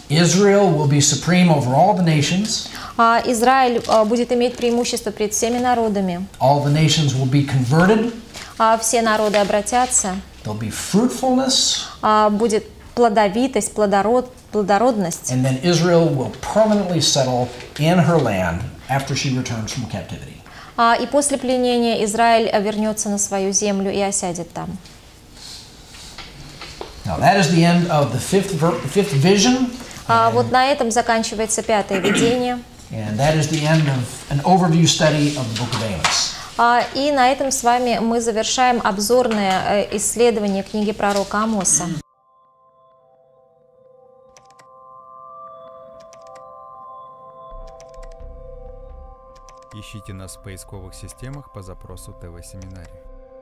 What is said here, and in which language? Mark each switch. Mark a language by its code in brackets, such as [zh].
[en] Israel will be supreme over all the nations. [ru] Израиль будет иметь преимущество перед всеми народами. [en] All the nations will be converted. [ru] Все народы обратятся. [en] There'll be fruitfulness. [ru] Будет плодовитость, плодородность. [en] And then Israel will permanently settle in her land after she returns from captivity. [ru] И после пленения Израиль вернется на свою землю и осядет там. [en] Now that is the end of the fifth vision. [ru] Вот на этом заканчивается пятое видение. [en] And that is the end of an overview study of the book of Amos. [ru] И на этом с вами мы завершаем обзорное исследование книги пророка Амоса. Ищите нас в поисковых системах по запросу ТВ-семинария.